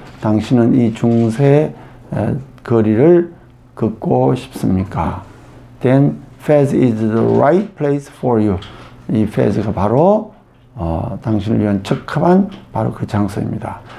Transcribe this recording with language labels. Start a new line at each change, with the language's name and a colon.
Korean: 당신은 이 중세 거리를 걷고 싶습니까?
English: Then Fez is the right place for you.
Korean: 이 Fez가 바로 당신을 위한 적합한 바로 그 장소입니다.